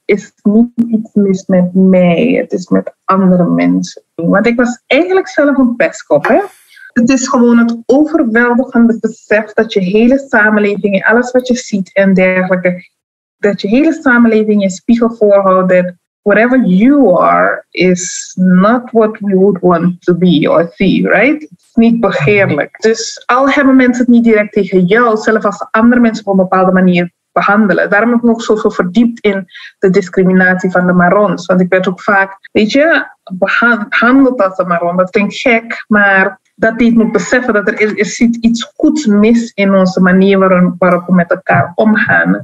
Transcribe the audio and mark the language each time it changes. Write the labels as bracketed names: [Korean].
[Dutch] Is niet iets mis met mij, het is met andere mensen. Want ik was eigenlijk zelf een pestkop, hè. Het is gewoon het overweldigende besef dat je hele samenleving, alles wat je ziet en dergelijke, dat je hele samenleving je spiegel voorhoudt. [English] Whatever you are is not what we would want to be or see, right? [Dutch] It's niet begeerlijk. Dus al hebben mensen het niet direct tegen jou, zelfs als andere mensen op een bepaalde manier behandelen. Daarom heb ik me ook zoveel verdiept in de discriminatie van de marrons. Want ik werd ook vaak, weet je, behandeld als een marron. Dat klinkt gek, maar dat die het moet beseffen dat er zit iets goeds mis in onze manier waarop we met elkaar omgaan.